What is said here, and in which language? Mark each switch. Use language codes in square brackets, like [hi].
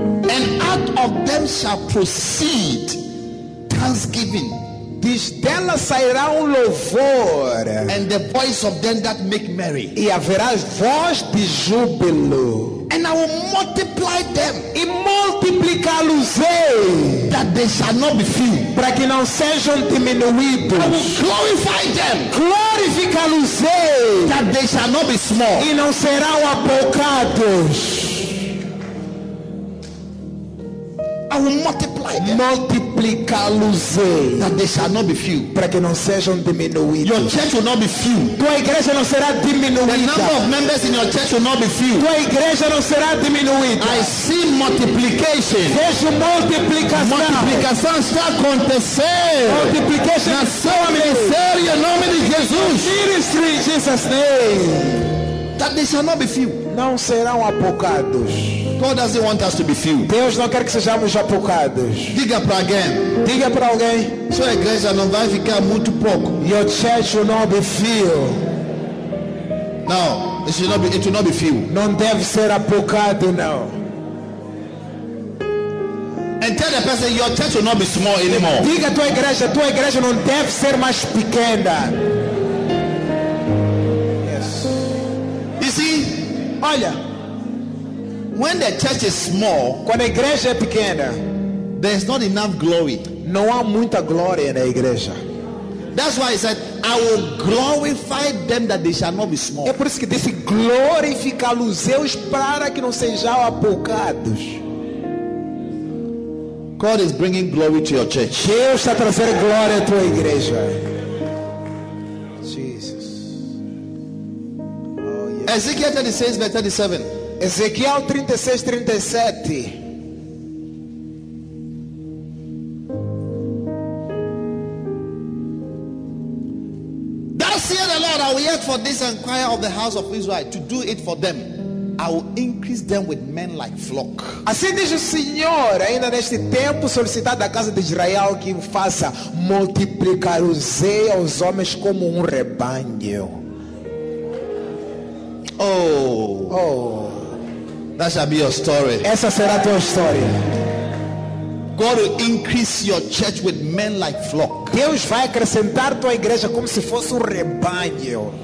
[en] And out of them shall proceed thanksgiving. [pt] Diz, dela sairá um louvor. [en] And the voice of them that make merry. [pt] E haverá voz de júbilo. [en] And I will multiply them. [pt] E multiplicá-los-ei. [en] That they shall not be few. [pt] Para que não sejam diminuídos. [en] I will glorify them. [pt] Glorificá-los-ei. [en] That they shall not be small. [pt] E não serão apocados. [en] I will multiply them. [pt] Multiplicá-los-ei. [en] That they shall not be few. [pt] Para que não sejam diminuídos. [en] Your church will not be few. [pt] Tua igreja não será diminuída. [en] The number of members in your church will not be few. [pt] Tua igreja não será diminuída. [en] I see multiplication. [pt] Vejo multiplicação. Multiplicação está acontecendo. [en] Multiplication. [pt] Na sua ministério, em nome de Jesus. [en] Ministry in Jesus' name. That they shall not be few. [pt] Não serão apocados. [en] God doesn't want us to be few. [pt] Deus não quer que sejamos apocados. Diga para alguém. Diga para alguém. Sua igreja não vai ficar muito pouco. [en] Your church will not be few. No, it should not be. It will not be few. [pt] Não deve ser apocado, não. [en] And tell the person your church will not be small anymore. [pt] Diga a tua igreja não deve ser mais pequena. [en] Yes. You see, [pt] olha. [en] When the church is small, [pt] quando a igreja é pequena, [en] there's not enough glory. [pt] Não há muita glória na igreja. [en] That's why he said, I will glorify them that they shall not be small. [pt] É por isso que disse glorificá-los para que não sejam apocados. [en] God is bringing glory to your church. [pt] Deus está trazendo glória à tua igreja. [en] Jesus. Oh, yes. Ezekiel 36, verse 37. [pt] Ezequiel 36, 37. [en] Thus saith the Lord, I will yet for this inquire of the house of Israel to do it for them. I will increase them with men like flock. [pt] Assim diz o Senhor, ainda neste tempo solicitar da casa de Israel que faça multiplicar os aos homens como rebanho. Oh. Oh. [en] That shall be your story. [pt] Essa será tua história. [en] God will increase your church with men like flock. [pt] Deus vai acrescentar tua igreja como se fosse rebanho.